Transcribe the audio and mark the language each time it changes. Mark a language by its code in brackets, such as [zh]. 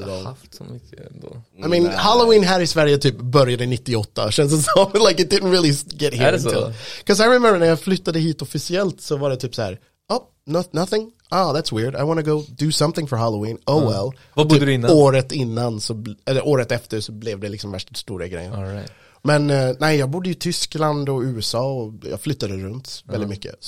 [sv] Jag har haft så mycket ändå. [en] I mean, [sv] Halloween här i Sverige typ började 98. Känns det som, [en] like, it didn't really get here until. Because I remember [sv] när jag flyttade hit officiellt så var det typ så här, [en] oh, nothing. Ah, that's weird. I want to go do something for Halloween. Oh well. [sv] Vad bodde du innan? Året innan, så, eller året efter så blev det liksom värsta stora grejen. [en] All right. [sv] Men nej, jag bodde i Tyskland och USA och jag flyttade runt väldigt mycket.